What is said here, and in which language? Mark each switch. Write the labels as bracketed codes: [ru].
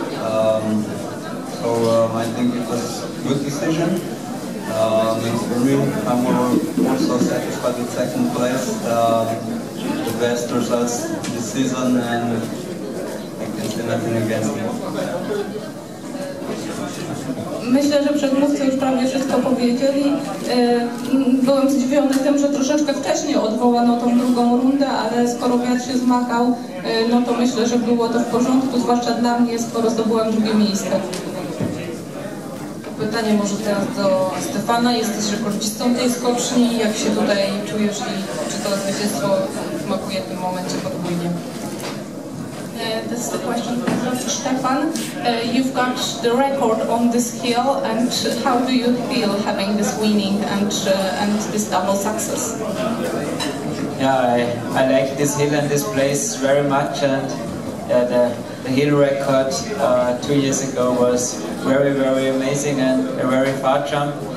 [en] I think it was a good decision. For me, I'm also satisfied with second place. The best results this season, and I can say nothing against me. [pl] Myślę, że przedmówcy już prawie wszystko powiedzieli. Byłem zdziwiony tym, że troszeczkę wcześniej odwołano tą drugą rundę, ale skoro wiatr się zmagał, no to myślę, że było to w porządku, zwłaszcza dla mnie, skoro zdobyłem drugie miejsce. Pytanie może teraz do Stefana. Jesteś rekordzistą tej skoczni. Jak się tutaj czujesz i czy to zwycięstwo smakuje w tym momencie podwójnie? [en] This is the question for Stefan. You've got the record on this hill, and how do you feel having this winning and this double success? Yeah, I like this hill and this place very much, and yeah, the hill record 2 years ago was very, very amazing and a very far jump.